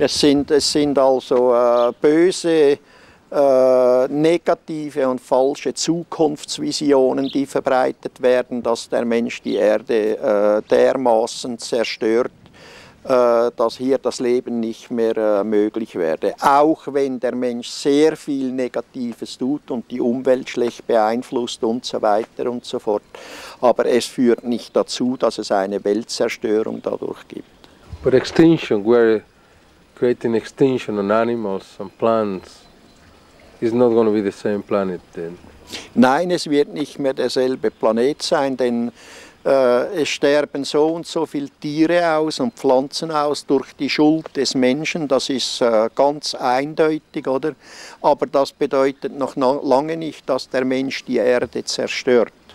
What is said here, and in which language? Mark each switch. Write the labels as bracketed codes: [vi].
[de] Es sind also böse, negative und falsche Zukunftsvisionen, die verbreitet werden, dass der Mensch die Erde dermaßen zerstört, dass hier das Leben nicht mehr möglich werde. Auch wenn der Mensch sehr viel Negatives tut und die Umwelt schlecht beeinflusst und so weiter und so fort. Aber es führt nicht dazu, dass es eine Weltzerstörung dadurch gibt. [en] But extinction, we're creating extinction on animals and plants. It's not going to be the same planet then. [de] Nein, es wird nicht mehr derselbe Planet sein, denn es sterben so und so viele Tiere aus und Pflanzen aus durch die Schuld des Menschen. Das ist ganz eindeutig, oder? Aber das bedeutet noch lange nicht, dass der Mensch die Erde zerstört.